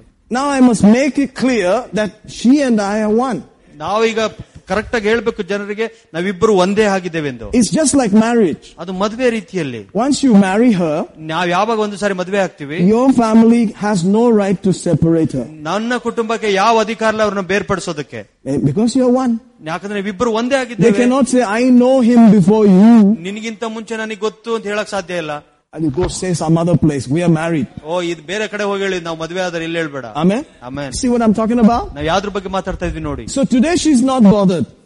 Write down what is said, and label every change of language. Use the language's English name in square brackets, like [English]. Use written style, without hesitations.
[English] Now I must make it clear that she and I are one. [Kannada] Correct ಆಗಿ ಹೇಳಬೇಕು ಜನರಿಗೆ ನಾವಿಬ್ಬರು ಒಂದೇ ಆಗಿದ್ದೇವೆ ಎಂದು. [English] It's just like marriage. [Kannada] ಅದು ಮದುವೆ ರೀತಿಯಲ್ಲಿ. [English] once you marry her, [Kannada] ನಾವು ಯಾವಾಗ ಒಂದು ಸಾರಿ ಮದುವೆ ಆಗ್ತೀವಿ, [English] Your family has no right to separate her. [Kannada] ನನ್ನ ಕುಟುಂಬಕ್ಕೆ ಯಾವ ಅಧಿಕಾರ ಇಲ್ಲ ಅವ್ರನ್ನ ಬೇರ್ಪಡಿಸೋದಕ್ಕೆ. [English] Because you are one. [Kannada] ಯಾಕಂದ್ರೆ ನಾವಿಬ್ಬರು ಒಂದೇ ಆಗಿದ್ದೇವೆ. [English] They can not say I know him before you. [Kannada] ನಿನಗಿಂತ ಮುಂಚೆ ನನಗೆ ಗೊತ್ತು ಅಂತ ಹೇಳಕ್ ಸಾಧ್ಯ ಇಲ್ಲ. [English] And you go say some other place. We are married. [Kannada] Oh, ಇದು ಬೇರೆ ಕಡೆ ಹೋಗಿ ಹೇಳಿ ನಾವು ಮದುವೆ ಆದ್ರೆ ಇಲ್ಲಿ ಹೇಳ್ಬೇಡ. [English] Amen. Amen. See what I'm talking about? [Kannada] ನಾವು ಯಾವ್ದ್ರ ಬಗ್ಗೆ ಮಾತಾಡ್ತಾ ಇದ್ವಿ ನೋಡಿ. [English] So today she's not bothered.